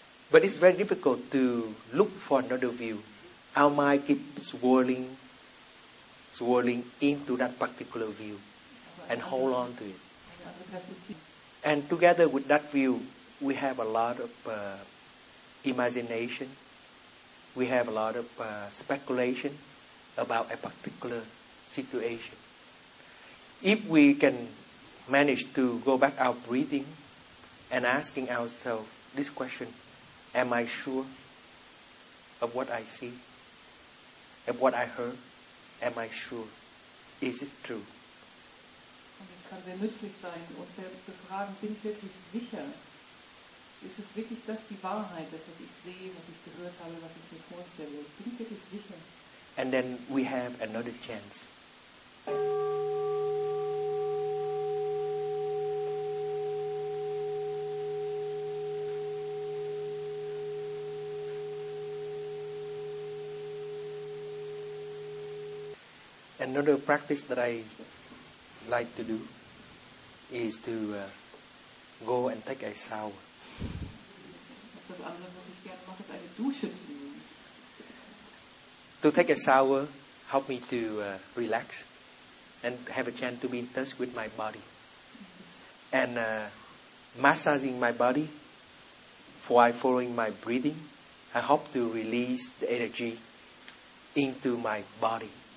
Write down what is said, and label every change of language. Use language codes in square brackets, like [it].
[en] But it's very difficult to look for another view. Our mind keeps swirling into that particular view and hold on to it. And together with that view, we have a lot of imagination. We have a lot of speculation about a particular situation. If we can manage to go back our breathing and asking ourselves this question, am I sure of what I see, of what I heard, am I sure, is it true? [de] Und es kann sehr nützlich sein, uns selbst zu fragen, bin ich wirklich sicher? Ist es wirklich das die Wahrheit, das was ich sehe, was ich gehört habe, was ich mir vorstelle? Bin ich wirklich sicher? [en] And then we have another chance. Another practice that I like to do is to go and take a shower. [de] Das andere, was ich gerne mache, ist eine Dusche. [en] To take a shower helps me to relax and have a chance to be in touch with my body. And massaging my body while following my breathing, I hope to release the energy into my body.